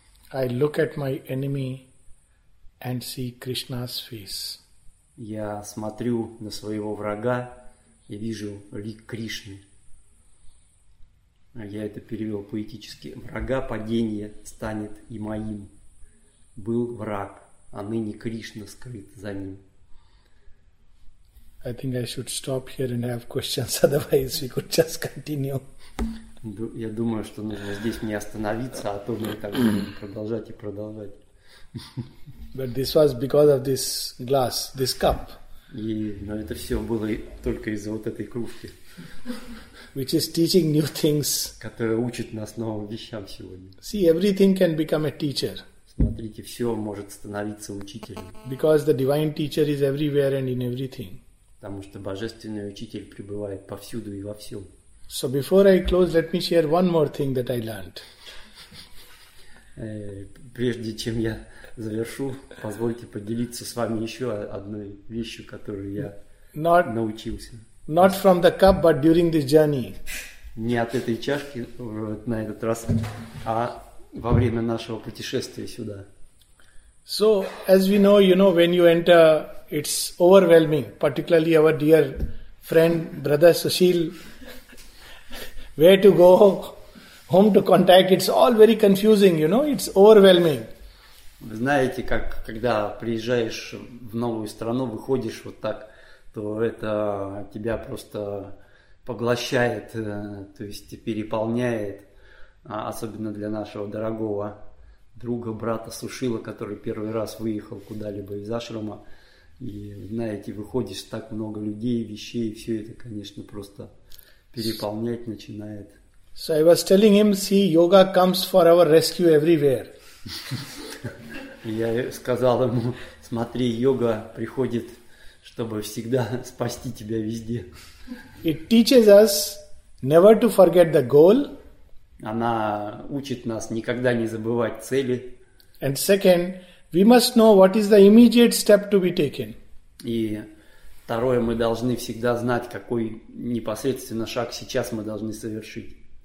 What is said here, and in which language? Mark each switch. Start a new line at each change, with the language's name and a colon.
English: I look at my enemy and see Krishna's face.
Russian: Я смотрю на своего врага и вижу лик Кришны. Я это перевел поэтически. Врага падения станет и моим. Был враг, а ныне Кришна скрыт за ним.
English: I think I should stop here and have questions, otherwise we could just continue.
Russian: Я думаю, что нужно здесь не остановиться, а то мы так будем продолжать и продолжать.
English: But this was because of this glass, this cup.
Russian: И, но это все было только из-за вот этой кружки.
English: Which is teaching new things.
Russian: Которая учит нас новым вещам сегодня.
English: See, everything can become a teacher.
Russian: Смотрите, все может становиться учителем.
English: Because the divine teacher is everywhere and in everything.
Russian: Потому что божественный учитель пребывает повсюду и во всем.
English: So before I close, let me share one more thing that I learned.
Russian: Прежде чем я завершу, позвольте поделиться с вами еще одной вещью, которую я научился.
English: Not from the cup, but during this journey.
Russian: Не от этой чашки на этот раз, а во время нашего путешествия сюда.
English: So, as we know, you know, when you enter, it's overwhelming, particularly our dear friend, brother Sushil. Where to go, whom to contact, it's all very confusing, you know, it's overwhelming.
Russian: Вы знаете, как когда приезжаешь в новую страну, выходишь вот так, то это тебя просто поглощает, то есть переполняет, особенно для нашего дорогого друга, брата Сушила, который первый раз выехал куда-либо из ашрама. И, знаете, выходишь, так много людей, вещей, и все это, конечно, просто переполнять начинает.
English: So I was telling him, see, yoga comes for our rescue everywhere.
Russian: Я сказал ему, смотри, йога приходит, чтобы всегда спасти тебя везде.
English: It teaches us never to forget the goal.
Russian: Она учит нас никогда не забывать цели.
English: And second, we must know what is the immediate step to be taken.
Russian: И второе, мы должны всегда знать, какой непосредственно шаг сейчас мы должны совершить.